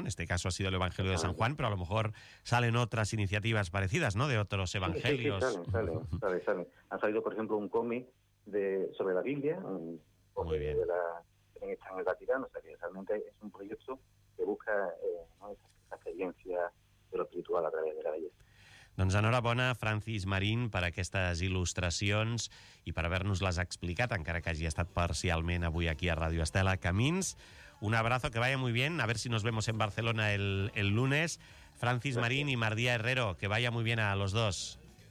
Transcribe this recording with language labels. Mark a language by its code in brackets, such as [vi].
[es] En este caso ha sido el Evangelio de San Juan, pero a lo mejor salen otras iniciativas parecidas, ¿no? De otros evangelios. Sí, sale. Ha salido, por ejemplo, un cómic sobre la Biblia. Muy bien. Está en el Vaticano. O sea, que realmente es un proyecto que busca esa experiencia de lo espiritual a través de la belleza. [ca] Doncs enhorabona, Francis Marín, per aquestes il·lustracions i per haver-nos-les explicat, encara que hagi estat parcialment avui aquí a Radio Estela Camins. [es] Un abrazo, que vaya muy bien. A ver si nos vemos en Barcelona el lunes. Francis gracias. Marín y Mardía Herrero, que vaya muy bien a los dos.